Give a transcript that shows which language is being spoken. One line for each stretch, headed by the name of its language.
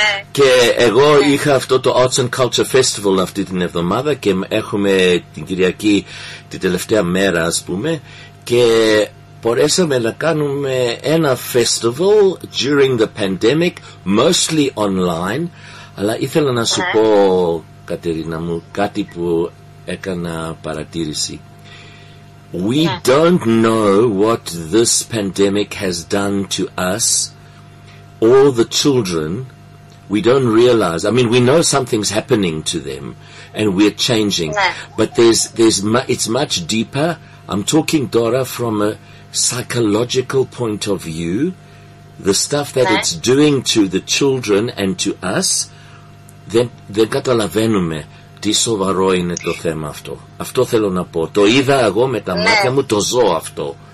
Greek: Και εγώ είχα αυτό το Arts and Culture Festival αυτή την εβδομάδα και έχουμε την Κυριακή την τελευταία μέρα, ας πούμε, και μπορέσαμε να κάνουμε ένα festival
English: during the pandemic, mostly online,
Greek: αλλά ήθελα να σου πω, Κατερίνα μου, κάτι που έκανα παρατήρηση.
English: We don't know what this pandemic has done to us or the children. We don't realize. I mean, we know something's happening to them and we're changing. But it's much deeper. I'm talking, Dora, from a psychological point of view. The stuff that it's doing to the children and to us.
Greek: Δεν καταλαβαίνουμε τι σοβαρό είναι το θέμα αυτό. Αυτό θέλω να πω. Το είδα εγώ με τα μάτια μου, το ζω αυτό.